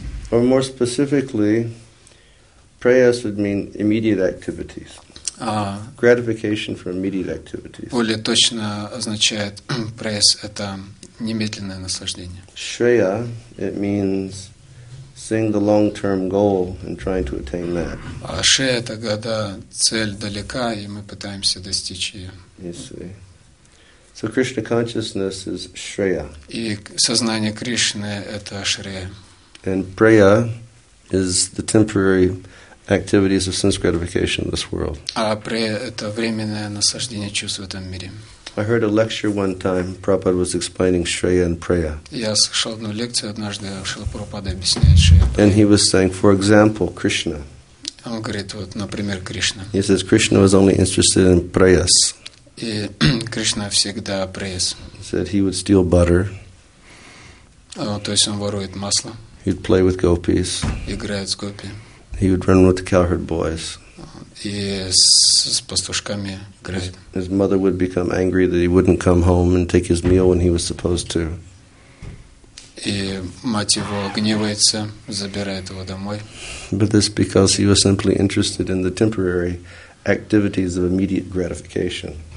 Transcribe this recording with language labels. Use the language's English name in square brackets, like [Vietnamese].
[English] Or more specifically, prayas would mean immediate activities. Gratification for immediate activities. [Russian] Более точно означает prayas это немедленное наслаждение. [English] Shreya, it means seeing the long-term goal and trying to attain that. [Russian] Shreya это когда цель далека и мы пытаемся достичь ее. [English] So Krishna consciousness is shreya. [Russian] И сознание Кришны это shreya. [English] And preya is the temporary activities of sense gratification in this world. [Russian] А прея это временное наслаждение чувств в этом мире. [English] I heard a lecture one time. Prabhupada was explaining shreya and preya. [Russian] Я слышал одну лекцию однажды, Шрила Прабхупада объясняет shreya. [English] And he was saying, for example, Krishna. [Russian] Он говорит, вот, например, Кришна. [English] He says Krishna was only interested in preyas. [Russian] И Кришна всегда преяс. [English] He said he would steal butter. [Russian] То есть он ворует масло. [English] He'd play with gopis. [Russian] Играет с гопи. [English] He would run with the cowherd boys. [Russian] И с пастушками играет. [English] His mother would become angry that he wouldn't come home and take his meal when he was supposed to. [Russian] И мать его гневается, забирает его домой. [English] But this because he was simply interested in the temporary activities of immediate gratification.